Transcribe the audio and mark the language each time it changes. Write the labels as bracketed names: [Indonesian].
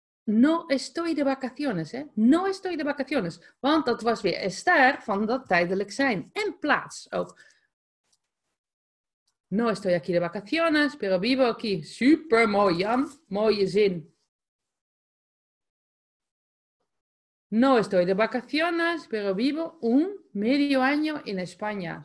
[Spanish] No estoy de vacaciones, hè? No estoy de vacaciones. [Dutch] Want dat was weer estar van dat tijdelijk zijn. En plaats ook. [Spanish] No estoy aquí de vacaciones, pero vivo aquí. [Dutch] Super mooi, Jan. Mooie zin. [Spanish] No estoy de vacaciones, pero vivo un medio año in España.